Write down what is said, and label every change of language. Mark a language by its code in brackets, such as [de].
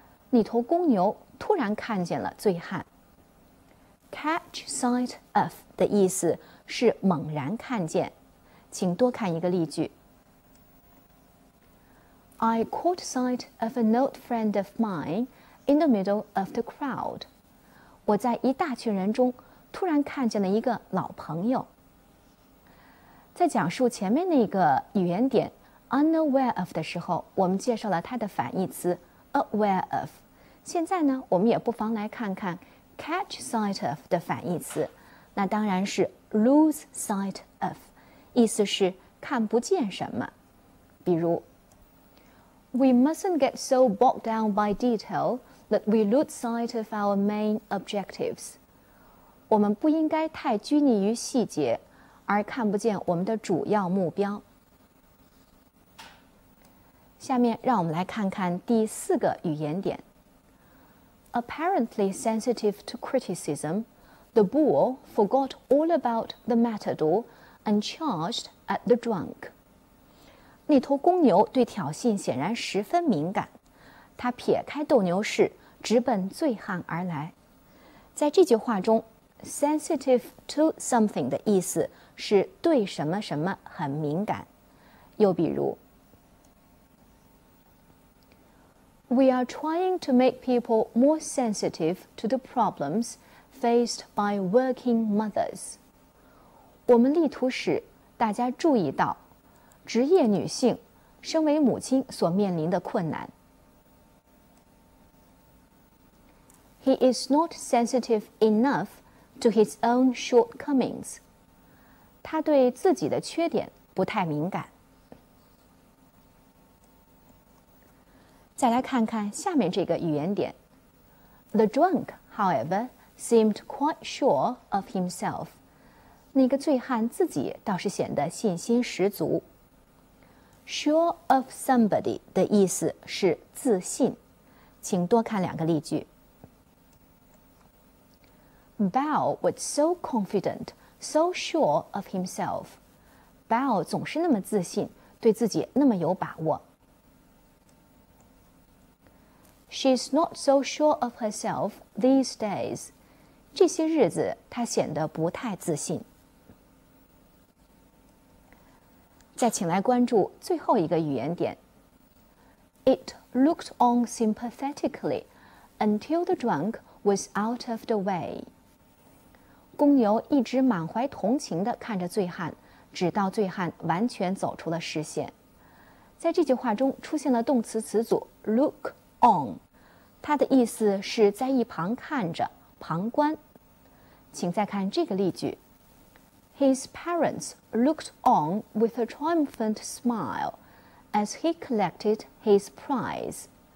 [zh] 那头公牛突然看见了醉汉。 Catch sight of 的意思是猛然看见，请多看一个例句。 [en] I caught sight of an old friend of mine in the middle of the crowd. [zh] 我在一大群人中突然看见了一个老朋友。在讲述前面那个语言点 unaware of 的时候，我们介绍了它的反义词 aware of。现在呢，我们也不妨来看看。 [en] Catch sight of [zh] 的反义词，那当然是 [en] lose sight of， [zh] 意思是看不见什么。比如 [en] ，We mustn't get so bogged down by detail that we lose sight of our main objectives。 [zh] 我们不应该太拘泥于细节，而看不见我们的主要目标。下面让我们来看看第四个语言点。 [en] Apparently sensitive to criticism, the bull forgot all about the matador and charged at the drunk. [zh] 那头公牛对挑衅显然十分敏感，他撇开斗牛士，直奔醉汉而来。在这句话中 ，sensitive to something 的意思是对什么什么很敏感。又比如。 [en] We are trying to make people more sensitive to the problems faced by working mothers. [zh] 我们力图使大家注意到职业女性身为母亲所面临的困难。 [en] He is not sensitive enough to his own shortcomings. [zh] 他对自己的缺点不太敏感。再来看看下面这个语言点。 [en] The drunk, however, seemed quite sure of himself. [zh] 那个醉汉自己倒是显得信心十足。 Sure of somebody 的意思是自信。请多看两个例句。 [en] Bao was so confident, so sure of himself. [zh] Bao 总是那么自信，对自己那么有把握。 [en] She's not so sure of herself these days. [zh] 这些日子她显得不太自信。再请来关注最后一个语言点。 [en] It looked on sympathetically until the drunk was out of the way. [zh] 公牛一直满怀同情地看着醉汉，直到醉汉完全走出了视线。在这句话中出现了动词词组 look on， 它的意思是在一旁看着，旁观。请再看这个例句。 [en] His parents looked on with a triumphant smile as he collected his prize.